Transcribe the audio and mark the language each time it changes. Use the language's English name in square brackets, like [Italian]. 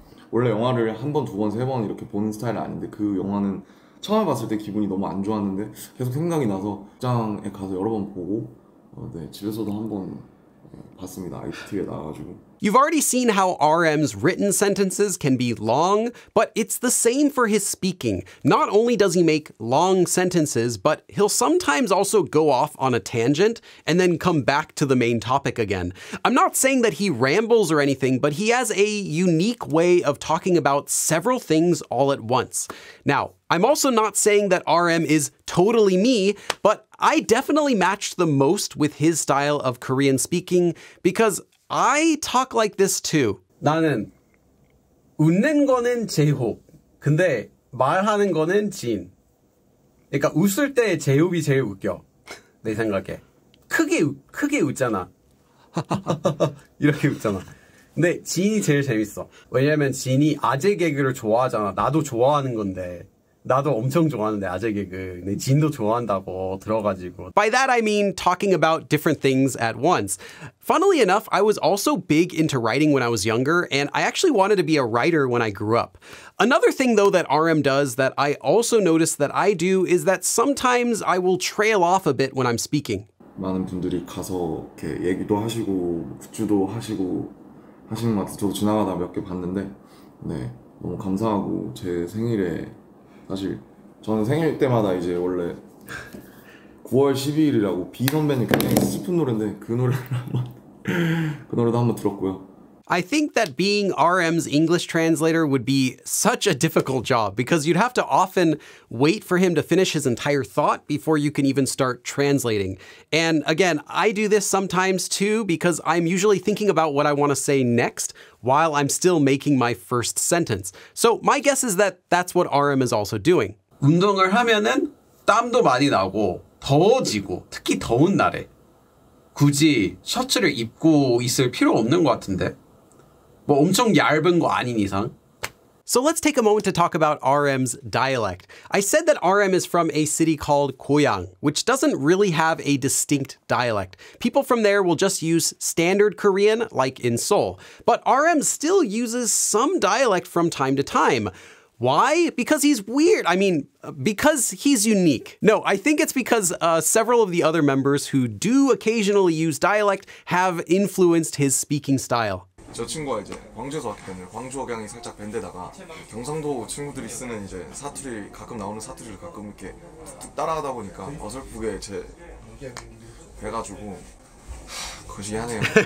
[Korean] 원래 영화를 한 번, 두 번, 세 번 이렇게 보는 스타일 아닌데 그 영화는 처음에 봤을 때 기분이 너무 안 좋았는데 계속 생각이 나서 극장에 가서 여러 번 보고 네, 집에서도 한 번 봤습니다. IPTV에 나와가지고 [English] You've already seen how RM's written sentences can be long, but it's the same for his speaking. Not only does he make long sentences, but he'll sometimes also go off on a tangent and then come back to the main topic again. I'm not saying that he rambles or anything, but he has a unique way of talking about several things all at once. Now, I'm also not saying that RM is totally me, but I definitely match the most with his style of Korean speaking because I talk like this too. [Korean] 나는 웃는 거는 제이홉. 근데 말하는 거는 진. 그러니까 웃을 때 제이홉이 제일 웃겨. 내 생각에. 크게 웃잖아. 이렇게 웃잖아. 근데 진이 제일 재밌어. 왜냐면 진이 아재 개그를 좋아하잖아. 나도 좋아하는 건데. 나도 엄청 좋아하는데 아재 개그. 내 진도 좋아한다고 들어가지고. [English] By that I mean talking about different things at once. Funnily enough, I was also big into writing when I was younger, and I actually wanted to be a writer when I grew up. Another thing, though, that RM does that I also noticed that I do is that sometimes I will trail off a bit when I'm speaking. [Korean] 많은 분들이 가서 이렇게 얘기도 하시고 굿즈도 하시고 하시는 것 같아서 저도 지나가다 몇 개 봤는데 네, 너무 감사하고 제 생일에 사실 저는 생일 때마다 이제 원래 9월 12일이라고 B 선배님 굉장히 슬픈 노래인데 그 노래도 한번 들었고요. [English] I think that being RM's English translator would be such a difficult job because you'd have to often wait for him to finish his entire thought before you can even start translating. And again, I do this sometimes too because I'm usually thinking about what I want to say next while I'm still making my first sentence. So my guess is that that's what RM is also doing. [Korean] 운동을 하면은 땀도 많이 나고 더워지고 특히 더운 날에 굳이 셔츠를 입고 있을 필요 없는 것 같은데. 뭐 엄청 얇은 거 아닌 이상. [English] So let's take a moment to talk about RM's dialect. I said that RM is from a city called Goyang, which doesn't really have a distinct dialect. People from there will just use standard Korean, like in Seoul. But RM still uses some dialect from time to time. Why? Because he's weird. I mean, because he's unique. No, I think it's because several of the other members who do occasionally use dialect have influenced his speaking style. [Korean] 저 친구가 이제 광주에서 왔기 때문에 광주 억양이 살짝 밴데다가 경상도 친구들이 쓰는 이제 사투리 가끔 나오는 사투리를 가끔 이렇게 툭툭 따라하다 보니까 어설프게 제 돼가지고 거시기하네요.